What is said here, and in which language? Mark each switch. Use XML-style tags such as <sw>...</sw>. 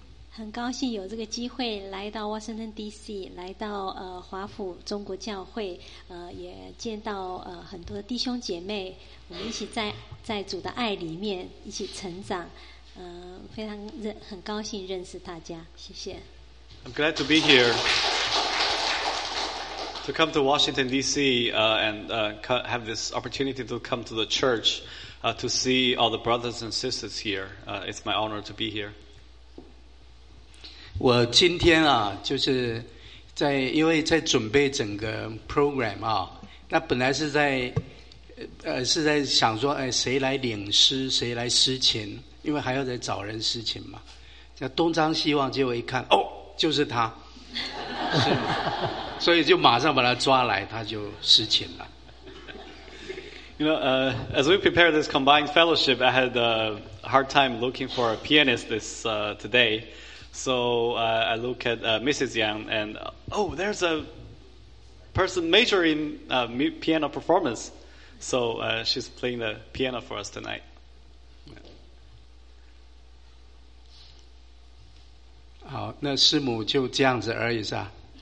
<zh>很高兴有这个机会来到 Washington DC， 来到华府中国教会，也见到很多弟兄姐妹，我们一起在主的爱里面一起成长，非常很高兴认识大家，谢谢。</zh> <en>I'm glad to be here. To come to Washington, D.C., have this opportunity to come to the church to see all the brothers and sisters here. It's my honor to be here.</en> <zh>我今天啊，就是在因为在准备整个 program 啊，那本来是在想说，哎，谁来领诗，谁来诗琴，因为还要再找人诗琴嘛。那东张西望，结果一看，哦，就是他。所以就马上把他抓来，他就失情了。</zh> <en>You know, as we prepare this combined fellowship, I had a hard time looking for a pianist this today. So I look at Mrs. Yang, and oh, there's a person major in piano performance. So she's playing the piano for us tonight. Yeah.</en> <zh>好，那师母就这样子而已，是吧？</zh>